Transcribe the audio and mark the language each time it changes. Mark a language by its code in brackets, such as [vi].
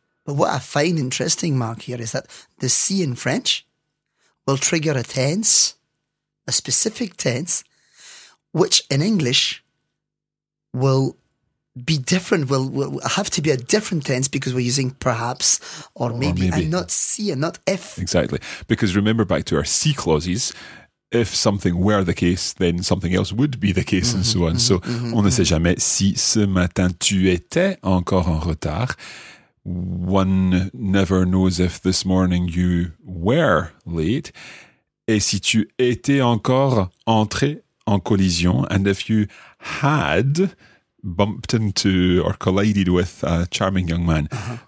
[en] But what I find interesting, Mark, here is that the C in French will trigger a tense, a specific tense, which in English will be different, will have to be a different tense because we're using perhaps or maybe, and not see and not if. Exactly. Because remember back to our see clauses, if something were the case, then something else would be the case and so on. [fr] So on ne sait jamais si ce matin tu étais encore en retard. [en] One never knows if this morning you were late. [fr] Et si tu étais encore entré en collision, [en] and if you had bumped into or collided with a charming young man. Uh-huh.